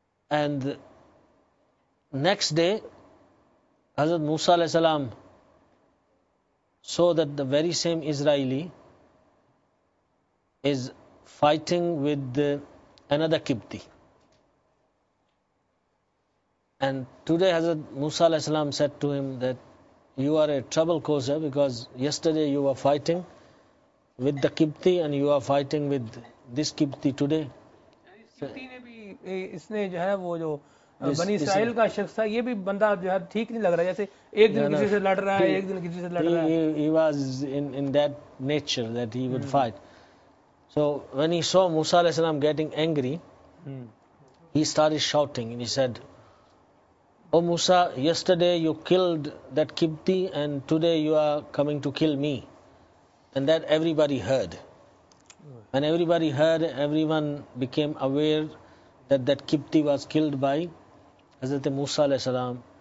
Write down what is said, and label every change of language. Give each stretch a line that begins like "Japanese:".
English: And next day, Hazrat Musa alayhi salam saw that the very same Israeli is fighting with another Qibti. And today Hazrat Musa alayhi salam said to him that you are a trouble causer because yesterday you were fighting with the Qibti and you are fighting with this Qibti today.
Hindi: इसने जो है वो जो बनी Israel का शख्स था ये भी बंदा जो है ठीक नहीं लग रहा जैसे एक दिन किसी से लड़ रहा है एक दिन किसी से लड़ रहा है
English: he was in that nature that he would fight so when he saw Musa alayhi salam getting angry he started shouting and he said oh Musa yesterday you killed that Qibti and today you are coming to kill me and that everybody heard when everybody heard everyone became aware that Qibti was killed by Hazrat Musa alayhi salam.